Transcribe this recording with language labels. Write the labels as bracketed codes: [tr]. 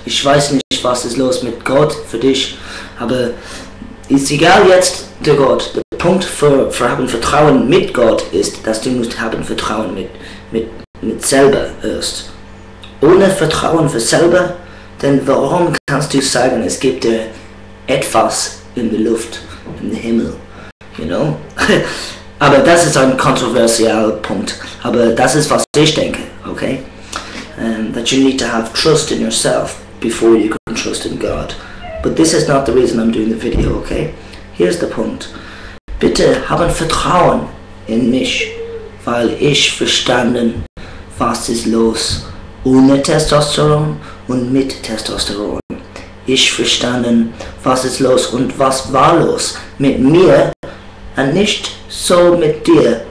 [de] Ich weiß nicht, was ist los mit Gott für dich. Aber ist egal jetzt, der Gott, der Punkt für haben Vertrauen mit Gott ist, dass du musst haben Vertrauen mit selber erst. Ohne Vertrauen für selber, denn warum kannst du sagen, es gibt etwas in der Luft, im Himmel, [en] you know? [de] Aber das ist ein kontroversieller Punkt, aber das ist, was ich denke, okay? [en] That you need to have trust in yourself before you can trust in God. But this is not the reason I'm doing the video, okay? Here's the point. [de] Bitte haben Vertrauen in mich, weil ich verstanden, was ist los ohne Testosteron und mit Testosteron. Ich verstanden, was ist los und was war los mit mir und nicht so mit dir.